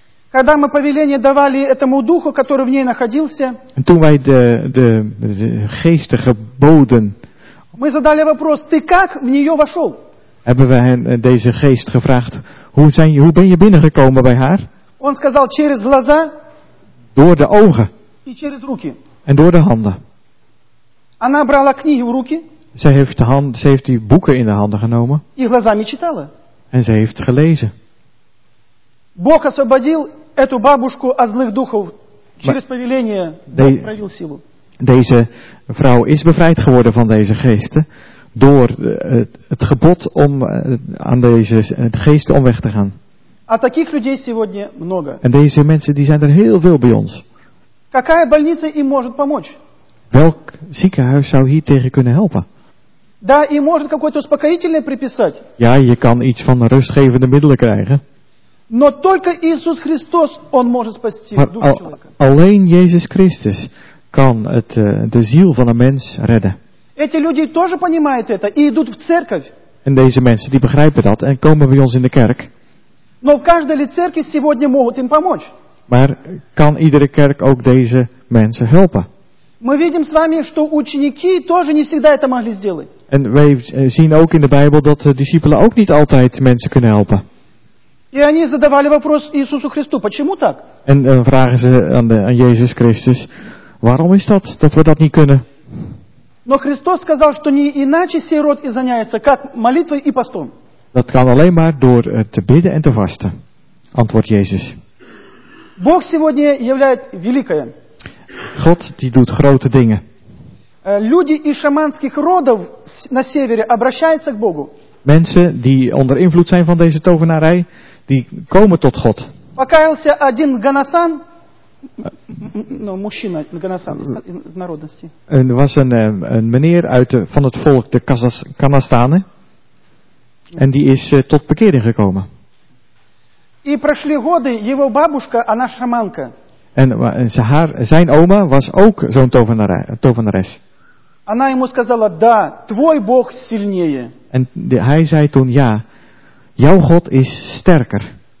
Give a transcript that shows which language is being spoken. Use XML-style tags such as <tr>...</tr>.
<ru>Когда мы повеление давали этому духу, который в ней находился,</ru> <nl>en toen wij de geesten geboden,</nl> <ru>мы задали вопрос: "Ты как в нее вошел?"</ru> <nl>Hebben we hen deze geest gevraagd: hoe ben je binnengekomen bij haar?</nl> <ru>Он сказал: "Через глаза".</ru> <nl>Door de ogen.</nl> <ru>И через руки.</ru> <nl>En door de handen.</nl> <ru>Она брала книги в руки.</ru> <nl>Ze heeft die boeken in de handen genomen.</nl> <ru>И глазами читала.</ru> <nl>En ze heeft gelezen.</nl> <ru>Бог освободил эту бабушку от злых духов через повеление, проявил силу.</ru> <nl>Deze vrouw is bevrijd geworden van deze geesten door het gebod om aan deze geesten omweg te gaan.</nl> <ru>А таких людей сегодня много.</ru> <nl>En deze mensen die zijn er heel veel bij ons.</nl> <ru>Какая больница им может помочь?</ru> <nl>Welk ziekenhuis zou hier tegen kunnen helpen?</nl> <ru>Да, и может какое-то успокоительное приписать.</ru> <nl>Ja, je kan iets van rustgevende middelen krijgen.</nl> <ru>Но только Иисус Христос он может спасти душу человека.</ru> <nl>Alleen Jezus Christus kan het de ziel van een mens redden.</nl> <ru>Эти люди тоже понимают это и идут в церковь.</ru> <nl>En deze mensen die begrijpen dat en komen bij ons in de kerk.</nl> <ru>Но в каждой ли церкви сегодня могут им помочь?</ru> <nl>Maar kan iedere kerk ook deze mensen helpen?</nl> <ru>Мы видим с вами, что ученики тоже не всегда это могли сделать.</ru> <nl>En wij zien ook in de Bijbel dat de discipelen ook niet altijd mensen kunnen helpen.</nl> <ru>И они задавали вопрос Иисусу Христу: "Почему так?"</ru> <nl>En vragen ze aan Jezus Christus: "Waarom is dat? Dat we dat niet kunnen?"</nl> <ru>Но Христос сказал, что не иначе сей род изгоняется, как молитвой и постом.</ru> <nl>Dat kan alleen maar door te bidden en te vasten, antwoordt Jezus.</nl> <ru>Бог сегодня являет великое.</ru> <nl>God die doet grote dingen.</nl> <ru>Люди из шаманских родов на севере обращаются к Богу.</ru> <nl>Mensen die onder invloed zijn van deze tovenarij, die komen tot God.</nl> <ru>Покаялся один Ганасан, мужчина Ганасан из народности.</ru> <nl>Er was een meneer van het volk de Канастанен, en die is tot bekering gekomen.</nl> <ru>И прошли годы, его бабушка, она шаманка.</ru> <nl>Zijn oma was ook zo'n tovenares.</nl> <ru>Она ему сказала: "Да, твой Бог сильнее".</ru> <nl>En hij zei toen: "Ja, jouw God is sterker".</nl>